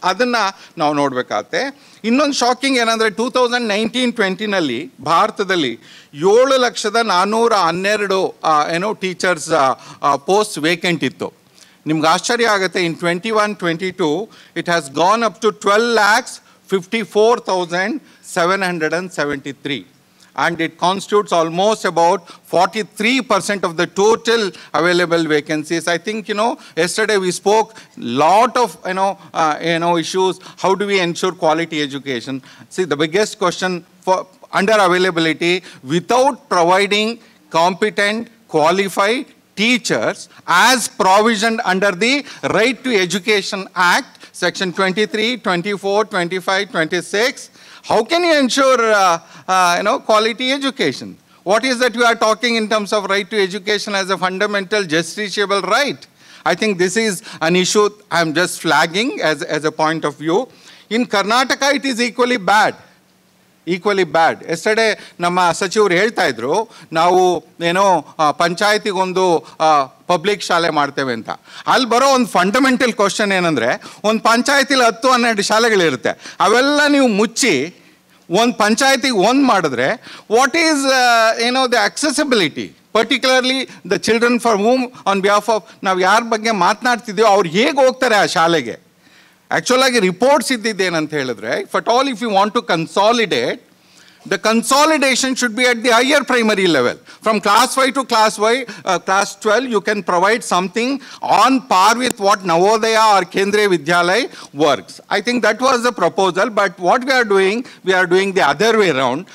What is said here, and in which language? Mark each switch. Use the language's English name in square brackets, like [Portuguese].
[Kannada] ಅದನ್ನು ನಾವು ನೋಡಬೇಕಾಗತ್ತೆ. ಇನ್ನೊಂದು ಶಾಕಿಂಗ್ ಏನಂದರೆ 2019-20 ಭಾರತದಲ್ಲಿ 712,000 ಏನೋ ಟೀಚರ್ಸ್ ಪೋಸ್ಟ್ ವೇಕೆಂಟ್ ಇತ್ತು. ನಿಮ್ಗೆ ಆಶ್ಚರ್ಯ ಆಗುತ್ತೆ, [English] in 21-22 it has gone up to [Kannada] 12,54,773. [English] And it constitutes almost about 43% of the total available vacancies. I think, you know, yesterday we spoke lot of, you know, issues. How do we ensure quality education? See, the biggest question for under availability, without providing competent, qualified teachers as provisioned under the Right to Education Act, Section 23, 24, 25, 26, how can you ensure quality education? What is that you are talking in terms of right to education as a fundamental justiciable right? I think this is an issue I am just flagging as a point of view. In Karnataka it is equally bad. Yesterday [Kannada] nama sachivaru helta idru naavu panchayati gondu public ಶಾಲೆ ಮಾಡ್ತೇವೆ ಅಂತ. ಅಲ್ಲಿ ಬರೋ ಒಂದು fundamental question ಏನಂದರೆ, ಒಂದು ಪಂಚಾಯತಿಲಿ 10-12 ಶಾಲೆಗಳಿರುತ್ತೆ, ಅವೆಲ್ಲ ನೀವು ಮುಚ್ಚಿ ಒಂದು ಪಂಚಾಯತಿಗೆ ಒಂದು ಮಾಡಿದ್ರೆ [English] what is ಏನೋ the accessibility, particularly the children for whom on behalf of [Kannada] ನಾವು ಯಾರ ಬಗ್ಗೆ ಮಾತನಾಡ್ತಿದ್ದೀವೋ ಅವ್ರು ಹೇಗೆ ಹೋಗ್ತಾರೆ ಆ ಶಾಲೆಗೆ? ಆ್ಯಕ್ಚುಲಾಗಿ ರಿಪೋರ್ಟ್ಸ್ ಇದ್ದಿದ್ದೇನಂತ ಹೇಳಿದ್ರೆ, [English] But all if you want to consolidate, The consolidation should be at the higher primary level. From class 5 to class y, class 12, you can provide something on par with what Navodaya or Kendriya Vidyalaya works. I think that was the proposal, but what we are doing the other way around.